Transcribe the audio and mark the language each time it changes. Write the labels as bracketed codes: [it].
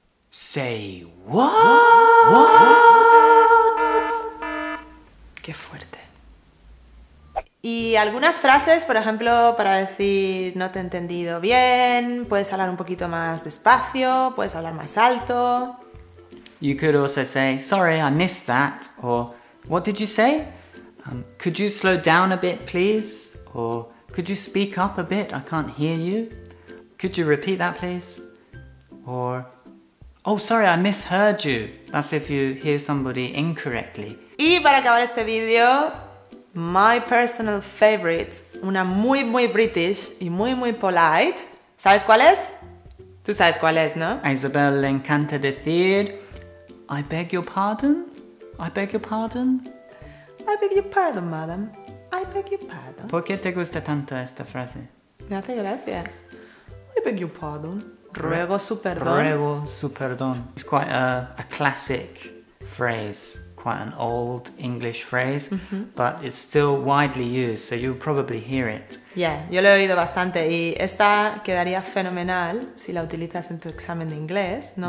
[en] Say what? What? [es] Qué fuerte. Y algunas frases, por ejemplo, para decir no te he entendido bien, puedes hablar un poquito más despacio, puedes hablar más alto. [en] You could also say, sorry, I missed that. Or, what did you say? Could you slow down a bit, please? Or, could you speak up a bit? I can't hear you. Could you repeat that, please? Or, oh, sorry, I misheard you. That's if you hear somebody incorrectly. [es] Y para acabar este vídeo, [en] my personal favorite, [es] una muy, muy British y muy, muy polite. ¿Sabes cuál es? Tú sabes cuál es, ¿no? A Isabel le encanta decir, [en] I beg your pardon? I beg your pardon? I beg your pardon, madam. I beg your pardon. [es] ¿Por qué te gusta tanto esta frase? Me hace gracia. [en] I beg your pardon. [es] Ruego su perdón. Ruego su perdón. [en] It's quite a classic phrase. quite an old English phrase, mm-hmm. but it's still widely used, so you'll probably hear it. [es] Yeah, yo lo he oído bastante y esta quedaría fenomenal si la utilizas en tu examen de inglés, ¿no?